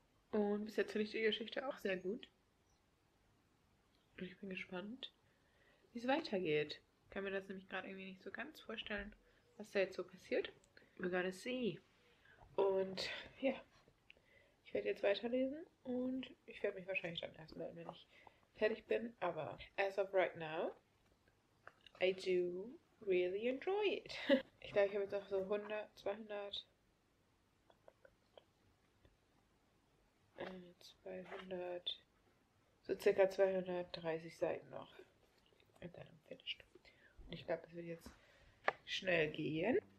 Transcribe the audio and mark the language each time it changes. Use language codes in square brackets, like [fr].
[de] Und bis jetzt finde ich die Geschichte auch sehr gut. Und ich bin gespannt, wie es weitergeht. Ich kann mir das nämlich gerade irgendwie nicht so ganz vorstellen, was da jetzt so passiert. [en] We're gonna see. [de] Und ja, ich werde jetzt weiterlesen und ich werde mich wahrscheinlich dann erst melden, wenn ich fertig bin. Aber [en] as of right now, I do really enjoy it. [de] Ich glaube, ich habe jetzt noch so 100, 200. 200, so circa 230 Seiten noch. Und dann finished. Und ich glaube, es wird jetzt schnell gehen.